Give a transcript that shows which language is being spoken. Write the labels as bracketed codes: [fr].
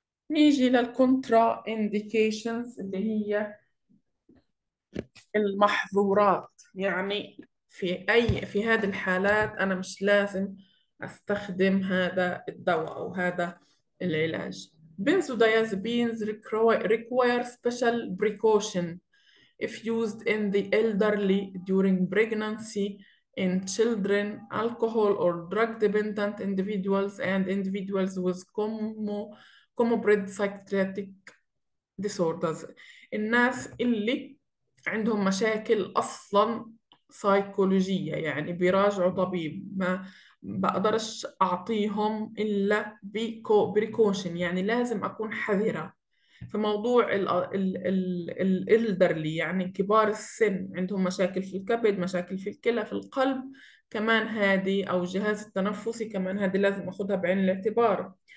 [ar] نيجي للكونترا إنديكيشنز اللي هي المحظورات، يعني في هذه الحالات أنا مش لازم أستخدم هذا الدواء أو هذا العلاج. [en] Benzodiazepines require special precaution if used in the elderly during pregnancy, in children, alcohol or drug dependent individuals, and individuals with comorbid psychiatric disorders. [ar] الناس اللي عندهم مشاكل أصلاً سايكولوجية، يعني بيراجعوا طبيب، ما بقدرش أعطيهم إلا بريكوشن، يعني لازم أكون حذرة. في موضوع الإلدرلي يعني كبار السن، عندهم مشاكل في الكبد، مشاكل في الكلى، في القلب كمان هذه، أو الجهاز التنفسي كمان هذه لازم أخذها بعين الاعتبار.